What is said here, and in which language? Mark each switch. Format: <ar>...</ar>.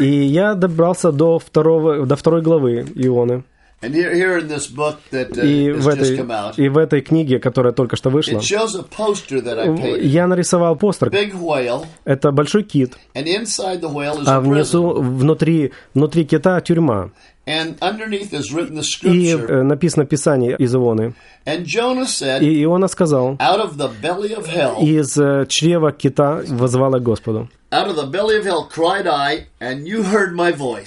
<ru>И я добрался до второй главы Ионы.</ru> <en>And here in this book that just come out.</en> <ru>И в этой книге, которая только что вышла.</ru> <en>It shows a poster that I painted.</en> <ru>Я нарисовал постер.</ru> <en>Big whale.</en> <ru>Это большой кит.</ru> <en>And inside the whale is a prison.</en> <ru>А внизу, внутри кита, тюрьма.</ru> <en>And underneath is written the scripture.</en> <ru>И написано Писание из Ионы.</ru> <en>And Jonah said,</en> <ru>и Иона сказал,</ru> <en>out of the belly of hell,</en> <ru>из чрева кита воззвала к Господу.</ru> <en>Out of the belly of hell cried I, and you heard my voice.</en>